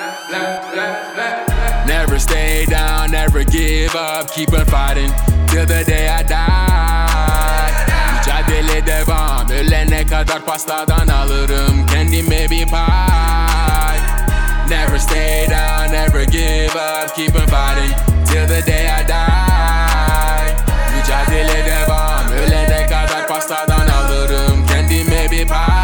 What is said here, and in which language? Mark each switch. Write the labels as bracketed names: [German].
[English] Never stay down, never give up, keep on fighting till the day I die. [Turkish] Mücadele devam, ölene kadar pastadan alırım kendime bir pay. [English] Never stay down, never give up, keep on fighting till the day I die. [Turkish] Mücadele devam, ölene kadar pastadan alırım kendime bir pay.